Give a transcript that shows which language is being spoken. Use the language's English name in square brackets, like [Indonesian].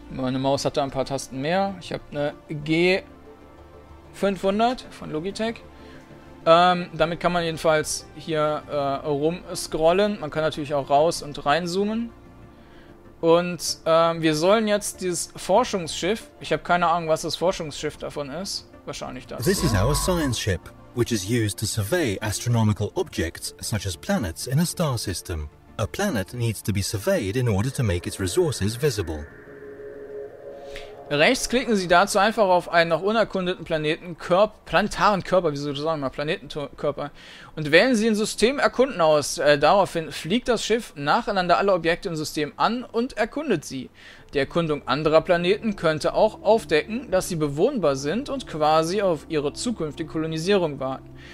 [German] Meine Maus hatte ein paar Tasten mehr. Ich habe eine G500 von Logitech. Damit kann man jedenfalls hier rumscrollen. Man kann natürlich auch raus und reinzoomen. Und wir sollen jetzt dieses Forschungsschiff, ich habe keine Ahnung, was das Forschungsschiff davon ist, wahrscheinlich das. [English] This is our science ship, which is used to survey astronomical objects such as planets in a star system. A planet needs to be surveyed in order to make its resources visible. [German] Rechts klicken Sie dazu einfach auf einen noch unerkundeten Planetenkörper, und wählen Sie ein System erkunden aus. Daraufhin fliegt das Schiff nacheinander alle Objekte im System an und erkundet sie. Die Erkundung anderer Planeten könnte auch aufdecken, dass sie bewohnbar sind und quasi auf ihre zukünftige Kolonisierung warten.